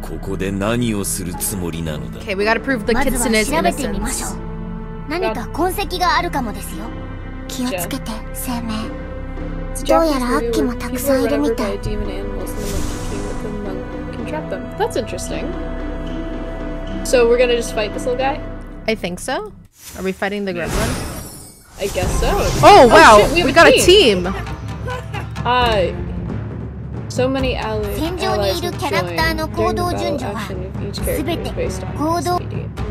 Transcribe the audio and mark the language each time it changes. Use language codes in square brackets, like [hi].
[ja] ここで何をするつもりなのだ。 [en] Okay, we gotta prove the kids in his innocence. [ja] 何か痕跡があるかもですよ。気をつけて、生命。どうやら悪鬼もたくさんいるみたい。 [en] That's interesting. So we're gonna just fight this little guy? I think so. Are we fighting the gremlin? I guess so. Oh wow, oh, shit, we got a team! So many allies have joined. During the battle, action of each character is based on speed.